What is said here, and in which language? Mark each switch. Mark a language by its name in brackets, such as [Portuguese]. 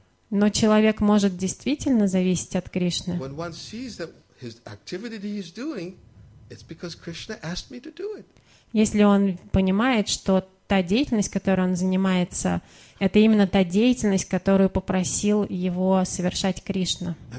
[Russian] Но человек может действительно зависеть от Кришны. [English] When one sees that his activity that he's doing, it's because Krishna asked me to do it. [Russian] Если он понимает, что та деятельность, которой он занимается, это именно та деятельность, которую попросил его совершать Кришна.